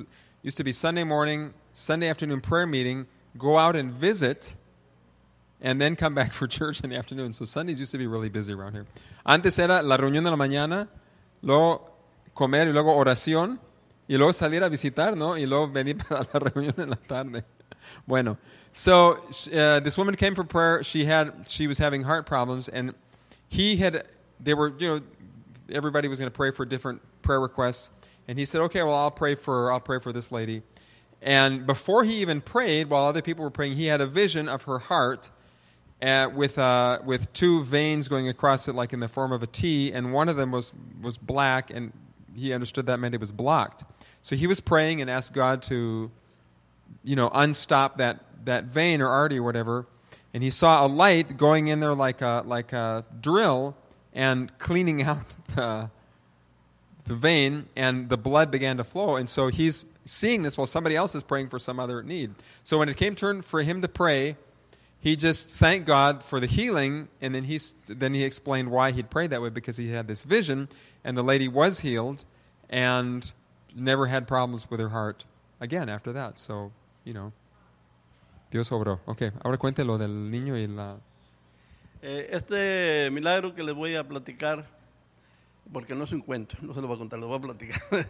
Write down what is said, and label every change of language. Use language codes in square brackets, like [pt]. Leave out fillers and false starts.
[en] It used to be Sunday morning, Sunday afternoon prayer meeting, go out and visit, and then come back for church in the afternoon. So Sundays used to be really busy around here. [es] Antes era la reunión de la mañana, luego comer y luego oración, y luego salir a visitar, ¿no? Y luego venir para la reunión en la tarde. [en] Bueno, so this woman came for prayer. She was having heart problems, and everybody was going to pray for different prayer requests, and he said, "Okay, well, I'll pray for this lady." And before he even prayed, while other people were praying, he had a vision of her heart, with two veins going across it, like in the form of a T, and one of them was black, and he understood that meant it was blocked. So he was praying and asked God to, you know, unstop that vein or artery or whatever, and he saw a light going in there like a drill. And cleaning out the vein, and the blood began to flow. And so he's seeing this while somebody else is praying for some other need. So when it came turn for him to pray, he just thanked God for the healing, and then he explained why he'd prayed that way, because he had this vision, and the lady was healed and never had problems with her heart again after that. So, you know, [es] Dios obró. Okay, ahora cuente lo del niño y la... Este milagro que les voy a platicar, porque no es un cuento, no se lo voy a contar, lo voy a platicar.